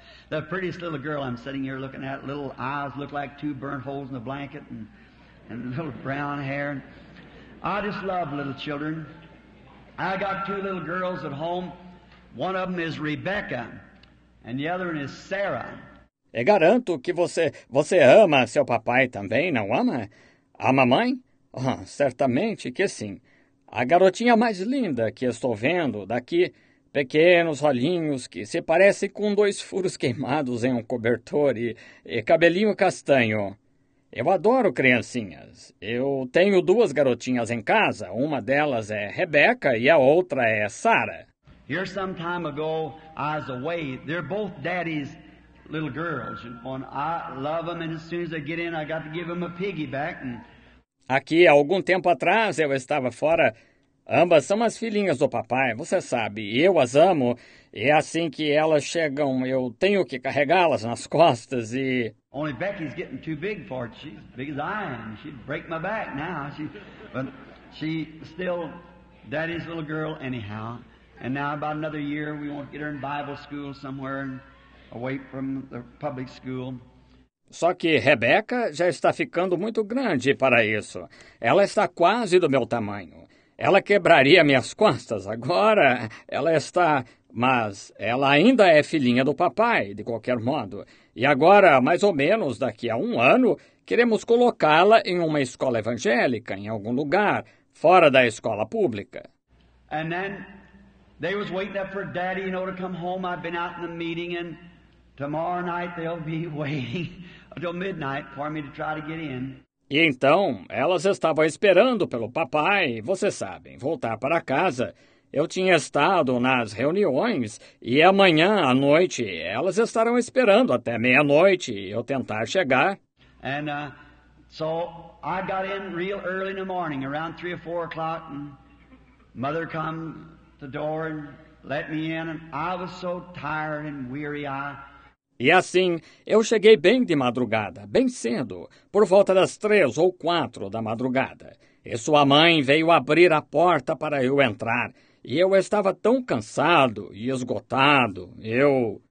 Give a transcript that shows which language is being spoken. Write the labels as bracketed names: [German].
[English] The prettiest little girl I'm sitting here looking at, little eyes look like two burnt holes in the blanket and little brown hair. I just love little children. I got two little girls at home. One of them is Rebecca and the other one is Sarah. [Portuguese] E garanto que você ama seu papai também, não ama? A mamãe? Oh, certamente que sim. A garotinha mais linda que estou vendo daqui, pequenos olhinhos que se parecem com dois furos queimados em um cobertor e cabelinho castanho. Eu adoro criancinhas. Eu tenho duas garotinhas em casa. Uma delas é Rebecca e a outra é Sarah. [English] Here some time ago, I was away. They're both daddy's little girls. And I love them, and as soon as they get in, I got to give them a piggyback. [Portuguese] Aqui, há algum tempo atrás, eu estava fora. Ambas são as filhinhas do papai, você sabe. Eu as amo. E assim que elas chegam, eu tenho que carregá-las nas costas e... [English] Only Becky's getting too big for it. She's big as I am. She'd break my back now. But she's still daddy's little girl anyhow. And now about another year, we won't get her in Bible school somewhere away from the public school. [Portuguese] Só que Rebecca já está ficando muito grande para isso. Ela está quase do meu tamanho. Ela quebraria minhas costas. Agora ela está... Mas ela ainda é filhinha do papai, de qualquer modo. E agora, mais ou menos daqui a um ano, queremos colocá-la em uma escola evangélica, em algum lugar, fora da escola pública. [English] E then they was waiting up for daddy, you know, to come home. I've been out in the meeting and... Tomorrow night they'll be waiting until midnight for me to try to get in. [Portuguese] E então, elas estavam esperando pelo papai, você sabe, voltar para casa. Eu tinha estado nas reuniões e amanhã à noite elas estarão esperando até meia-noite eu tentar chegar. [English] And so I got in real early in the morning, around 3 or 4 o'clock, and mother come to the door and let me in, and I was so tired and weary. [Portuguese] E assim, eu cheguei bem de madrugada, bem cedo, por volta das 3 ou 4 da madrugada. E sua mãe veio abrir a porta para eu entrar. E eu estava tão cansado e esgotado, eu...